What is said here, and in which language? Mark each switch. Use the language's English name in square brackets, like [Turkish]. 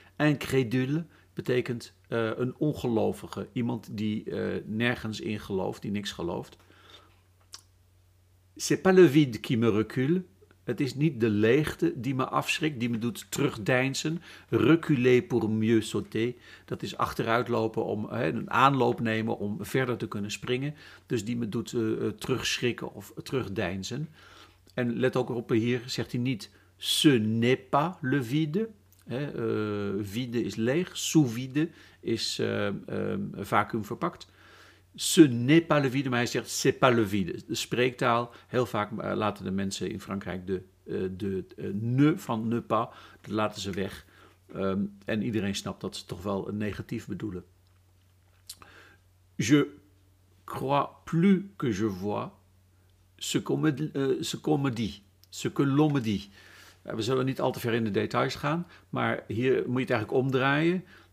[Dutch] Incrédule betekent een ongelovige. Iemand die nergens in gelooft, die niks gelooft. [French] C'est pas le vide qui me recule. [Dutch] Het is niet de leegte die me afschrikt, die me doet terugdeinzen. [French] Reculer pour mieux sauter. [Dutch] Dat is achteruitlopen, om een aanloop nemen om verder te kunnen springen. Dus die me doet terugschrikken of terugdeinzen. En let ook op, hier zegt hij niet [French] ce n'est pas le vide. [Dutch] Vide is leeg, sous vide is vacuüm verpakt. [French] Ce n'est pas le vide, [Dutch] maar hij zegt [French] c'est pas le vide. [Dutch] De spreektaal, heel vaak laten de mensen in Frankrijk de ne van ne pas, dat laten ze weg. En iedereen snapt dat ze toch wel een negatief bedoelen. [French] Je crois plus que je vois ce que l'on me dit. [Dutch] We zullen niet al te ver in de details gaan, maar hier moet je het eigenlijk omdraaien.